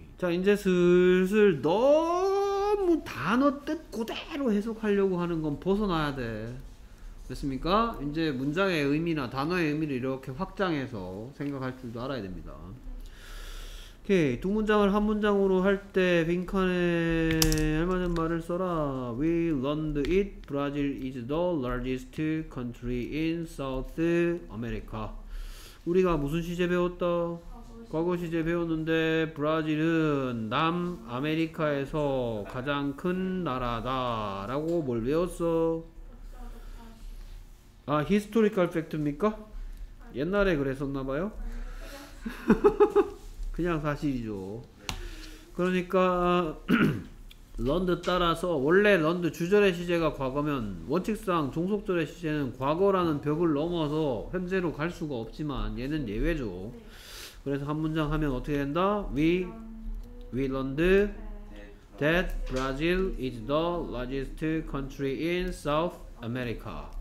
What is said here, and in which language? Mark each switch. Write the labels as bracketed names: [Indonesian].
[Korean] 자 이제 슬슬 너무 단어 뜻 그대로 해석하려고 하는 건 벗어나야 돼. 됐습니까? 이제 문장의 의미나 단어의 의미를 이렇게 확장해서 생각할 줄도 알아야 됩니다. 오케이. 두 문장을 한 문장으로 할 때 빈칸에 얼마 전 말을 써라. [English] We learned it. Brazil is the largest country in South America. [Korean] 우리가 무슨 시제 배웠다? 과거 시제 배웠는데 브라질은 남아메리카에서 가장 큰 나라다 라고 뭘 배웠어? 아 히스토리컬 팩트입니까? 옛날에 그랬었나봐요? 그냥 사실이죠. 그러니까 런드 따라서 원래 런드 주절의 시제가 과거면 원칙상 종속절의 시제는 과거라는 벽을 넘어서 현재로 갈 수가 없지만 얘는 예외죠. 그래서 한 문장 하면 어떻게 된다? [English] We learned that Brazil is the largest country in South America.